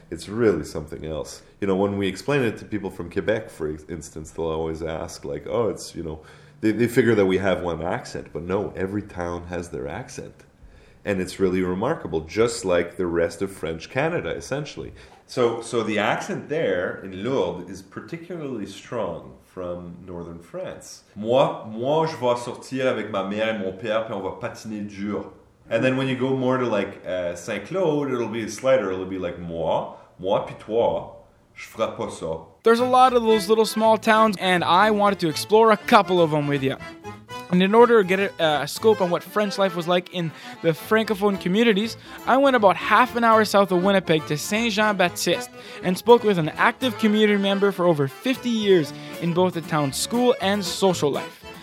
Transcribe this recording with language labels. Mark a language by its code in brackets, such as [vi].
[en] It's really something else. You know, when we explain it to people from Quebec, for instance, they'll always ask, like, oh, it's, you know, they figure that we have one accent, but no, every town has their accent. And it's really remarkable, just like the rest of French Canada, essentially. So the accent there in Lourdes is particularly strong from northern France. [fr] Moi, je vais sortir avec ma mère et mon père, puis on va patiner dur. [en] And then when you go more to like Saint-Claude, it'll be slighter. It'll be like [fr] moi, puis toi, je ferai pas ça. [en] There's a lot of those little small towns, and I wanted to explore a couple of them with you. And in order to get a scope on what French life was like in the Francophone communities, I went about half an hour south of Winnipeg to Saint-Jean-Baptiste and spoke with an active community member for over 50 years in both the town's school and social life.